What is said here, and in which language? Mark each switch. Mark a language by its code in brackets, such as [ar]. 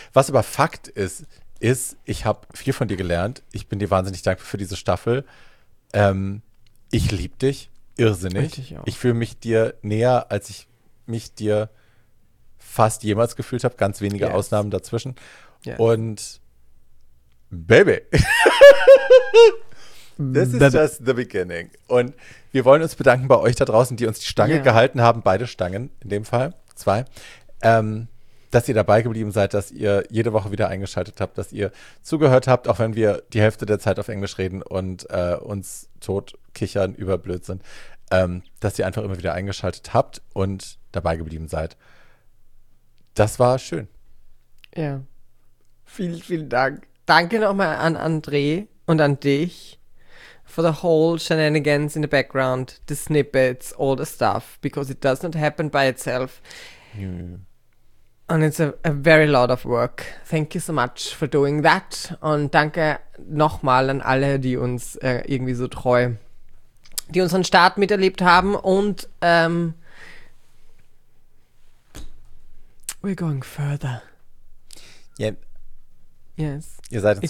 [de] Was aber Fakt ist, ist, ich habe viel von dir gelernt. Ich bin dir wahnsinnig dankbar für diese Staffel. Ich liebe dich irrsinnig. Richtig, ja. Ich fühle mich dir näher, als ich mich dir fast jemals gefühlt habe, ganz wenige Ausnahmen dazwischen. [en] Yes. Und Baby, this is just the beginning. [de] Und wir wollen uns bedanken bei euch da draußen, die uns die Stange gehalten haben, beide Stangen in dem Fall, zwei. dass ihr dabei geblieben seid, dass ihr jede Woche wieder eingeschaltet habt, dass ihr zugehört habt, auch wenn wir die Hälfte der Zeit auf Englisch reden und uns tot kichern über Blödsinn, dass ihr einfach immer wieder eingeschaltet habt und dabei geblieben seid. Das war schön. Ja. Vielen, vielen Dank. Danke nochmal an André und an dich. [en] For the whole shenanigans in the background, the snippets, all the stuff, because it does not happen by itself. Yeah. And it's a very lot of work. Thank you so much for doing that. [de] Und danke nochmal an alle, die uns irgendwie so treu, die unseren Start miterlebt haben. [en] Und we're going further. Yep. Yes. [de] Ihr seid uns